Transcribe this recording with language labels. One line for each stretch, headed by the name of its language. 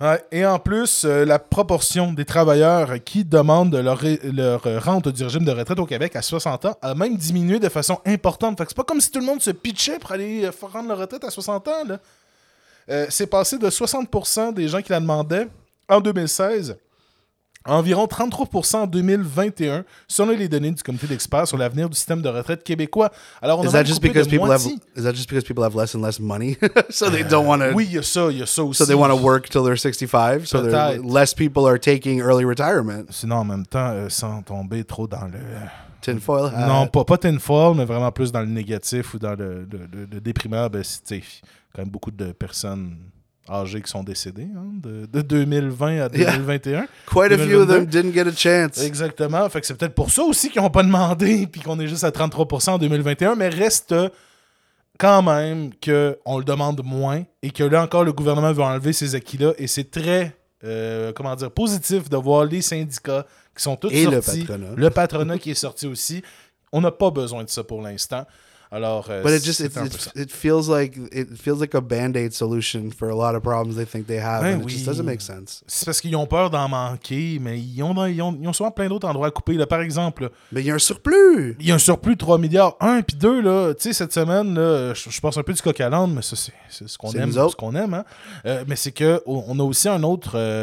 French: Et en plus, la proportion des travailleurs qui demandent leur rente du régime de retraite au Québec à 60 ans a même diminué de façon importante. Fait que c'est pas comme si tout le monde se pitchait pour aller rendre leur retraite à 60 ans. Là. C'est passé de 60% des gens qui la demandaient en 2016 à environ 33% en 2021, selon les données du comité d'experts sur l'avenir du système de retraite québécois. Alors, on a
English: Is that just because people have less and less money? So they don't want to...
French: Oui, il y a ça aussi.
English: So they want to work till they're 65? So they're, less people are taking early retirement?
French: Sinon, en même temps, sans tomber trop dans le...
English: Tinfoil hat?
French: Non, pas tinfoil, mais vraiment plus dans le négatif ou dans le déprimeur. Ben, c'est quand même beaucoup de personnes... âgés qui sont décédés, hein, de 2020 à 2021.
English: Quite a 2022. Few of them didn't get a chance.
French: Exactement. Fait que c'est peut-être pour ça aussi qu'ils n'ont pas demandé puis qu'on est juste à 33% en 2021. Mais reste quand même qu'on le demande moins et que là encore, le gouvernement veut enlever ces acquis-là. Et c'est très positif de voir les syndicats qui sont tous sortis. Et le patronat. Le patronat qui est sorti aussi. On n'a pas besoin de ça pour l'instant. Alors,
English: but it feels like a band-aid solution for a lot of problems they think they have.
French: Ben
English: and
French: oui.
English: It just doesn't make sense.
French: C'est parce qu'ils ont peur d'en manquer, mais ils ont souvent plein d'autres endroits à couper. Là, par exemple, mais il y a un surplus. Il y a un surplus de 3 milliards. Un puis deux, là, tu sais, cette semaine, je pense un peu du coq à l'âne, mais ça, c'est ce qu'on c'est aime. C'est ce qu'on aime. Hein? Mais c'est qu'on a aussi un autre.